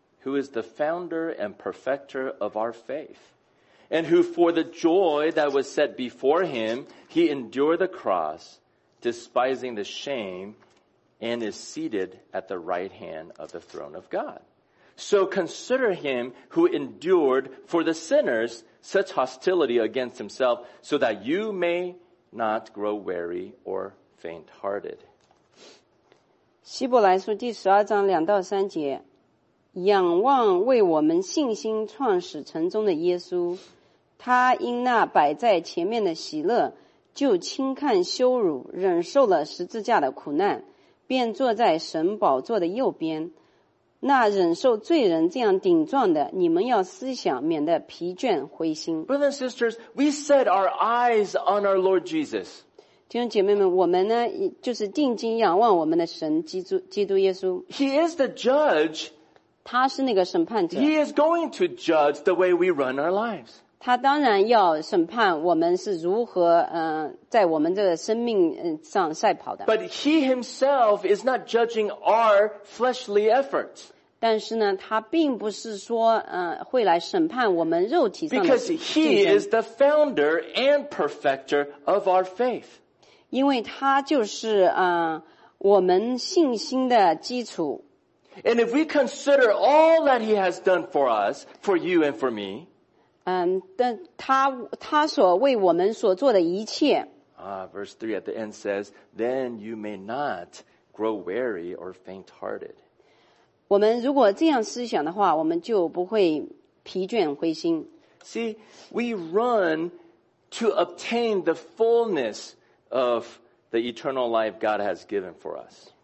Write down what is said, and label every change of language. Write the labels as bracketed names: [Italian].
[English] Who is the founder and perfecter of our faith, and who for the joy that was set before him, he endured the cross, despising the shame, and is seated at the right hand of the throne of God. So consider him who endured for the sinners such hostility against himself, so that you may not grow weary or faint-hearted. [Chinese] 希伯来书第十二章两到三节仰望为我们信心创始成终的耶稣，他因那摆在前面的喜乐，就轻看羞辱，忍受了十字架的苦难，便坐在神宝座的右边。那忍受罪人这样顶撞的，你们要思想，免得疲倦灰心。 [English] Brothers and sisters, we set our eyes on our Lord Jesus. [Chinese] 弟兄姐妹们，我们呢，就是定睛仰望我们的神基督耶稣。 [English] He is the judge. [Chinese] 他是那个审判者。 [English] He is going to judge the way we run our lives. [Chinese] 他当然要审判我们是如何在我们的生命上赛跑的。 [English] But he himself is not judging our fleshly efforts. [Chinese] 但是呢他并不是说会来审判我们肉体上的。 [English] Because he is the founder and perfecter of our faith. [Chinese] 因为他就是我们信心的基础。 [English] And if we consider all that he has done for us, for you and for me, [Chinese] 但他所为我们所做的一切 [English] verse 3 at the end says, then you may not grow weary or faint-hearted. [Chinese] 我们如果这样思想的话，我们就不会疲倦灰心。 [English] See, we run to obtain the fullness of the eternal life God has given for us.